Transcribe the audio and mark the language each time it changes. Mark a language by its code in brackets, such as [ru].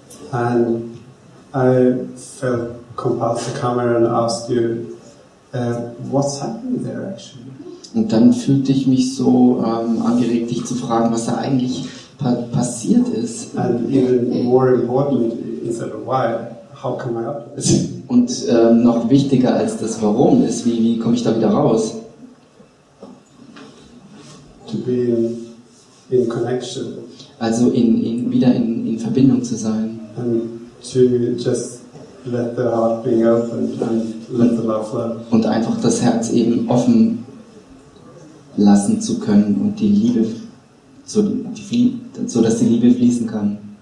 [en] And I felt compelled to come here and ask you, what's happening there actually? [de] Und dann fühlte ich mich so angeregt, dich zu fragen, was da eigentlich passiert ist. [en] And even more important, instead of why, how can I help? [de] Und noch wichtiger als das Warum ist, wie komme ich da wieder raus? [en] To be in connection. [de] Also wieder in Verbindung zu sein. [en] And to just let the heart be open and let the love flow. [de] Und einfach das Herz eben offen lassen zu können und die Liebe so dass die Liebe fließen kann.